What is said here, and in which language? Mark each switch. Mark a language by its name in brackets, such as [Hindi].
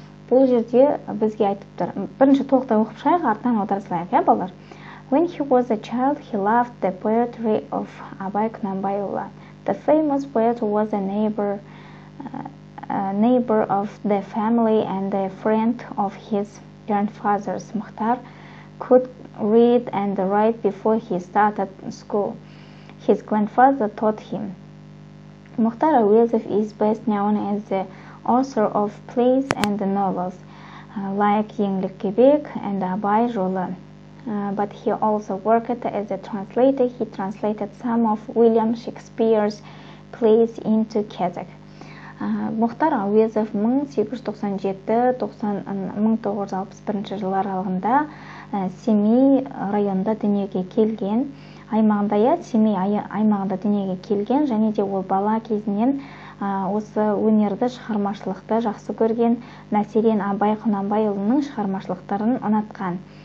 [Kazakh] Бұл жерде бізге айтып тұр. Бірінші тоқтай оқып шығайық, артынан аударсылайық, ә, балалар. [English] When he was a child, he loved the poetry of Абай Құнанбайұлы. The famous poet was a neighbor. Neighbor of the family and a friend of his grandfather's. Мұхтар could read and write before he started school. His grandfather taught him. Мұхтар Әуезов is best known as the author of plays and novels, like Еңлік Кебек and Абай Жолы. But he also worked as a translator. He translated some of William Shakespeare's plays into Kazakh. [Kazakh] Мұхтар Әуезов 1897-1961 жылы аралығында Семей районында дүниеге келген, аймағында дүниеге келген және де ол бала кезінен осы өнерді, шығармашылықты жақсы көрген, мәселен Абай Құнанбайұлының шығармашылықтарын ұнатқан.